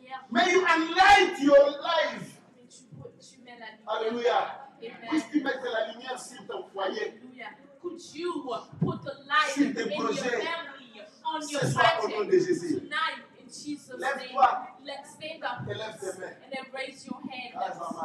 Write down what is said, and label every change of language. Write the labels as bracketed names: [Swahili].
[English] May you enlight your life. Alléluia. [French] Puisses-tu mettre la lumière sur ton foyer? [English] Could you put the light in your family, on [French] ce [English] your [French] soir, au nom de Jésus. Lève-toi. [English] Let's stand up. [French] Et lève tes mains. [English] And then raise your hand.